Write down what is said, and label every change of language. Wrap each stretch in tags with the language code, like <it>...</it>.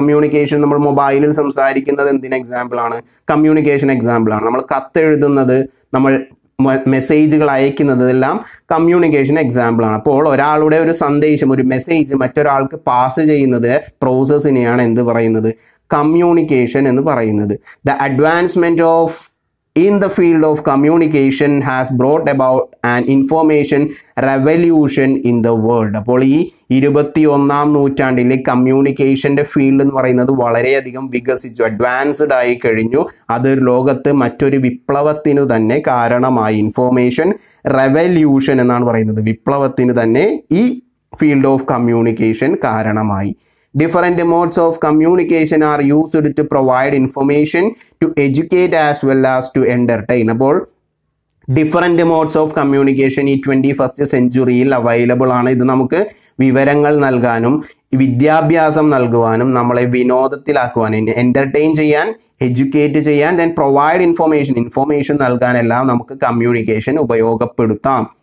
<ml>Communication നമ്മൾ മൊബൈലിൽ സംസാരിക്കുന്നത് എന്തിന് എക്സാമ്പിളാണ്? കമ്മ്യൂണിക്കേഷൻ എക്സാമ്പിളാണ്. നമ്മൾ കത്തെഴുതുന്നത്, നമ്മൾ മെസ്സേജുകൾ അയക്കുന്നത്, ഇതെല്ലാം കമ്മ്യൂണിക്കേഷൻ എക്സാമ്പിളാണ്. അപ്പോൾ ഒരാളുടെ ഒരു സന്ദേശം, ഒരു മെസ്സേജ് മറ്റൊരാൾക്ക് പാസ് ചെയ്യുന്നത് പ്രോസസ്സിനെയാണ് എന്ത് പറയുന്നത്? കമ്മ്യൂണിക്കേഷൻ എന്ന് പറയുന്നത്.</ml> <en>The advancement of in the field of communication has brought about an information revolution in the world.</en> <ml>അപ്പോൾ ഈ 21-ാം നൂറ്റാണ്ടിലെ കമ്മ്യൂണിക്കേഷൻ്റെ ഫീൽഡ് എന്ന് പറയുന്നത് വളരെയധികം വികസിച്ചു, അഡ്വാൻസ്ഡ് ആയി കഴിഞ്ഞു. അത് ലോകത്ത് മറ്റൊരു വിപ്ലവത്തിനു തന്നെ കാരണമായി. ഇൻഫോർമേഷൻ റെവല്യൂഷൻ എന്നാണ് പറയുന്നത്, വിപ്ലവത്തിന് തന്നെ ഈ ഫീൽഡ് ഓഫ് കമ്മ്യൂണിക്കേഷൻ കാരണമായി.</ml> <en>Different modes of communication are used to provide information, to educate as well as to entertain.</en> <ml>അപ്പോൾ ഡിഫറൻറ്റ് മോഡ്സ് ഓഫ് കമ്മ്യൂണിക്കേഷൻ ഈ</ml> <en>21st century</en> <ml>അവൈലബിൾ ആണ്. ഇത് നമുക്ക് വിവരങ്ങൾ നൽകാനും വിദ്യാഭ്യാസം നൽകുവാനും നമ്മളെ വിനോദത്തിലാക്കുവാനും എൻ്റർടൈൻ ചെയ്യാൻ, എഡ്യൂക്കേറ്റ് ചെയ്യാൻ, ദെൻ പ്രൊവൈഡ് ഇൻഫോർമേഷൻ, ഇൻഫോർമേഷൻ നൽകാനെല്ലാം നമുക്ക് കമ്മ്യൂണിക്കേഷൻ ഉപയോഗപ്പെടുത്താം.</ml>